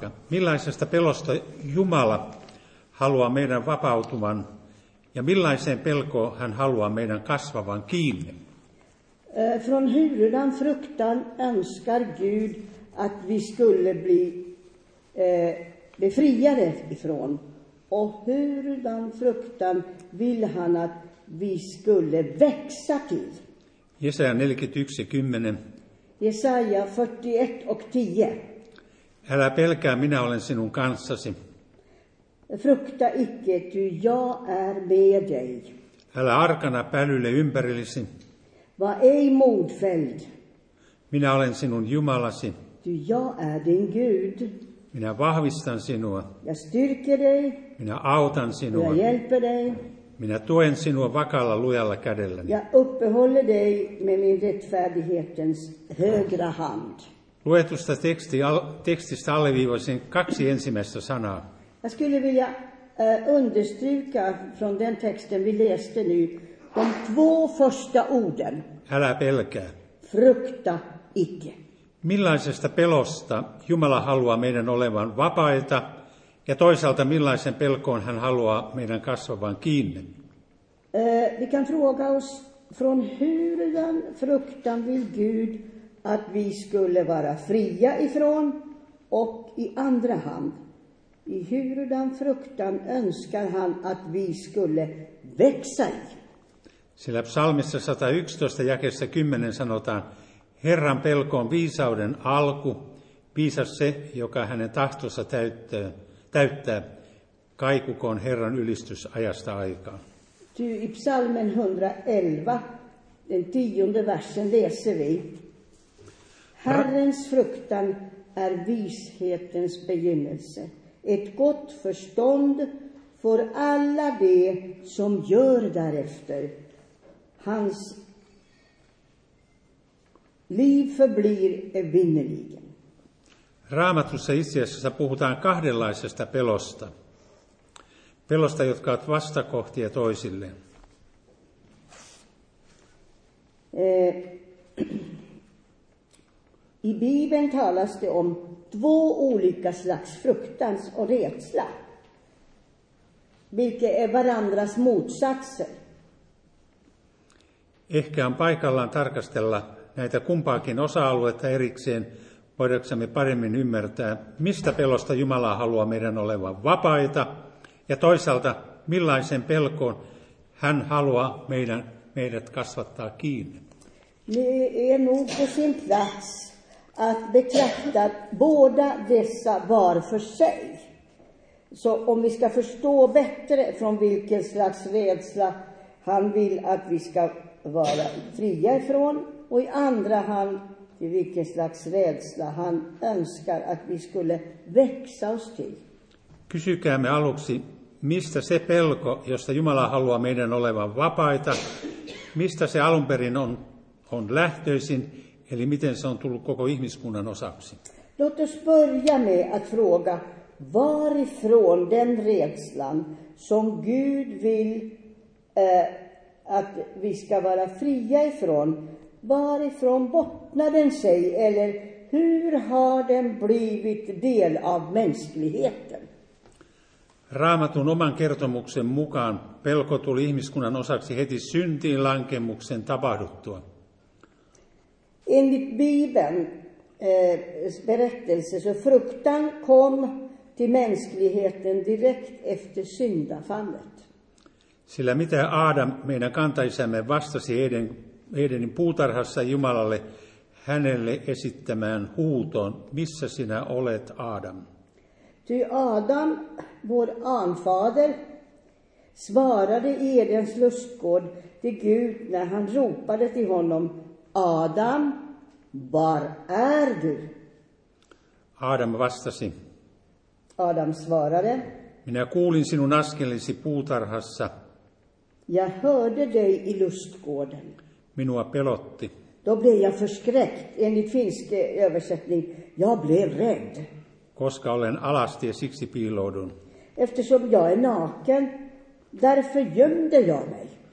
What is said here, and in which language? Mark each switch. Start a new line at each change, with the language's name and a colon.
Finnish: Millaisesta pelosta Jumala haluaa meidän vapautuvan ja millaiseen pelkoon hän haluaa meidän kasvavan kiinni?
Swedish: Från hurdan fruktan önskar Gud att vi skulle bli befriade ifrån. Och hurdan fruktan vill han att vi skulle växa till. Jesaja 41:10. Jesaja 41:10.
Finnish: Älä pelkää, minä olen sinun kanssasi.
Swedish: Frukta icke, ty jag är med dig.
Finnish: Älä arkana pälylle ympärillesi.
Swedish: Va ei modfeld.
Finnish: Minä olen sinun Jumalasi.
Swedish: Ty jag är din Gud.
Finnish: Minä vahvistan sinua.
Swedish: Ja styrker dig.
Finnish: Minä autan sinua.
Swedish: Ja hjälper dig.
Finnish: Minä tuen sinua vakalla lujalla kädelläni.
Swedish: Ja uppehåller dig med min rättfärdighetens högra hand.
Finnish: Luetusta tekstistä alleviivaisin kaksi ensimmäistä sanaa.
Swedish: Jag skulle vilja understryka från den texten vi läste nu. De två första orden.
Finnish: Älä pelkää.
Swedish: Frukta icke.
Finnish: Millaisesta pelosta Jumala haluaa meidän olevan vapaita ja toisaalta millaisen pelkoon hän haluaa meidän kasvavan kiinni?
Swedish: Vi kan fråga oss, från hurdan fruktan vill Gud att vi skulle vara fria ifrån och i andra hand. I hurdan fruktan önskar han att vi skulle växa i.
Finnish: Sillä psalmissa 111, jakeessa 10 sanotaan, Herran pelko on viisauden alku, viisas se, joka hänen tahtonsa täyttää, kaikukoon Herran ylistys ajasta aikaan.
Swedish: Ty i psalmen 111, den tionde versen, läser vi. Herrens fruktan är vishetens begynnelse, ett gott förstånd för alla det som gör därefter. Hans liv förblir evinnerligen.
Finnish: Raamatussa itse asiassa puhutaan kahdenlaisesta pelosta. Pelosta, jotka ovat vastakohtia toisilleen.
Swedish: I Bibeln talas det om två olika slags fruktans och rädsla, vilka är varandras motsatser.
Finnish: Ehkä on paikallaan tarkastella näitä kumpaakin osa-aluetta erikseen, voidaksemme paremmin ymmärtää, mistä pelosta Jumala haluaa meidän olevan vapaita, ja toisaalta, millaisen pelkoon hän haluaa meidät kasvattaa kiinni.
Swedish: Det är nog på sin plats att bekräfta båda dessa var för sig. Så om vi ska förstå bättre från vilken slags rädsla han vill att vi ska vara fria ifrån och i andra hand i vilken slags rädsla han önskar att vi skulle växa oss till.
Finnish: Kysykäämme aluksi, mistä se pelko, josta Jumala haluaa meidän olevan vapaita, mistä se alun perin on lähtöisin, eli miten se on tullut koko ihmiskunnan osaksi?
Swedish: Låt oss börja med att fråga, varifrån den rädslan som Gud vill att vi ska vara fria ifrån, varifrån bottnar den sig, eller hur har den blivit del av mänskligheten?
Finnish: Raamatun oman kertomuksen mukaan pelko tuli ihmiskunnan osaksi heti syntiin lankemuksen tapahduttua.
Swedish: Enligt Bibeln berättelse så fruktan kom till mänskligheten direkt efter syndafallet.
Finnish: Sillä mitä Aadam, meidän kantaisämme, vastasi Edenin puutarhassa Jumalalle, hänelle esittämään huuton, missä sinä olet, Adam?
Swedish: Ty Adam, vår anfader, svarade i Edens lustgård till Gud när han ropade till honom, Adam, var är du?
Finnish: Adam vastasi.
Swedish: Adam svarade.
Finnish: Minä kuulin sinun askelisi puutarhassa.
Swedish: Jag hörde dig i lustgården.
Finnish: Minua pelotti.
Swedish: Då blev jag förskräckt, enligt finsk översättning. Jag blev rädd.
Finnish: Koska olen alasti ja siksi piiloudun.
Swedish: Eftersom jag är naken, därför gömde jag mig.